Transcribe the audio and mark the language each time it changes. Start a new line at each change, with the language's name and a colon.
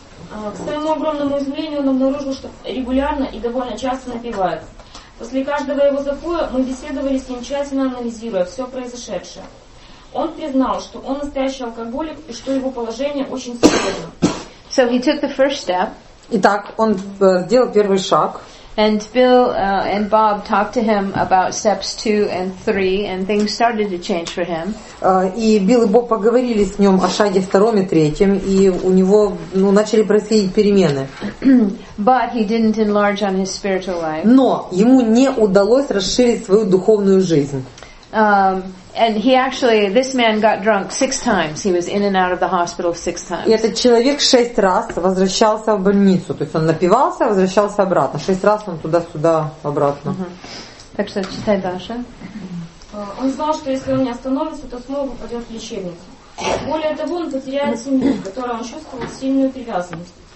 Russian: К своему огромному изумлению он обнаружил, что регулярно и довольно часто напивается. После каждого его запоя мы беседовали с ним, тщательно анализируя все произошедшее. Он признал, что он настоящий алкоголик и что его положение очень серьезно.
English: So he took the first step.
Russian: Итак, он сделал первый шаг.
English: And Bill and Bob talked to him about steps 2 and 3, and things started to change for him.
Russian: И Билл и Боб поговорили с ним о шаге втором и третьем, и у него начали происходить перемены.
English: But he didn't enlarge on his spiritual life.
Russian: Но ему не удалось расширить свою духовную жизнь.
English: And he actually, this man got drunk 6 times. He was in and out of the hospital 6 times.
Russian: И этот человек 6 раз возвращался в больницу. То есть он напивался, возвращался обратно. 6 раз он туда-сюда обратно. Так что читай дальше. Он знал, что если он не остановится, то снова попадет в лечебницу. Более того, он потеряет семью, в которой он чувствовал сильную привязанность.